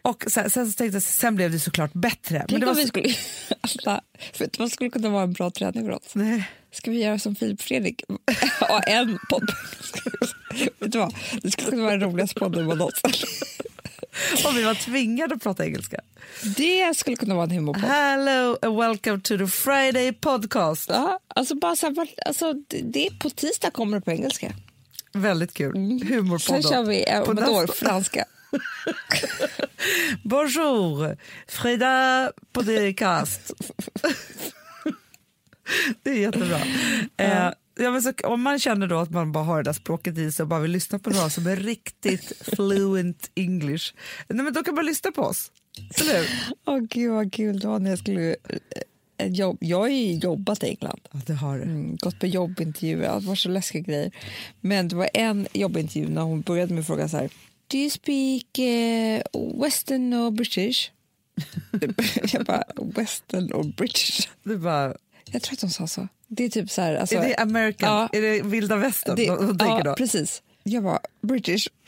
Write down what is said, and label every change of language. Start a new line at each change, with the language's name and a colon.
Swedish: Och så här, sen så tänkte jag, sen blev det såklart bättre. Tänk, men det var vi skulle, alltså, för det skulle kunna vara en bra träning för oss. Nej. Ska vi göra som Filip Fredrik? Och en podd. Vet du vad? Det skulle kunna vara den roligaste podden med oss. Om vi var tvingade att prata engelska. Det skulle kunna vara en humorpodd.
English: Hello and welcome to the Friday podcast.
Swedish: Ja, alltså bara så här, alltså det är på tisdag kommer det på engelska. Väldigt kul. Humorpodd. Sen kör vi om ett år franska. Bonjour. Fredag podcast. Det är jättebra. Jag vill så, om man känner då att man bara har det där språket i sig och bara vill lyssna på några som är riktigt
English: fluent English.
Swedish: Nej, men då kan man lyssna på oss. Slut. Åh, gud vad kul då när jag skulle. Jag har ju jobbat i England. Ja, det har du. Gått på jobbintervju. Det var så läskiga grejer. Men det var en jobbintervju när hon började med frågan så här.
English: Do you speak Western or British?
Swedish: Jag bara,
English: Western or British?
Swedish: Du bara. Jag tror att de sa så. Det är typ så här, alltså, är det American? Ja, är det vilda västern? Ja, då? Precis. Jag bara, British.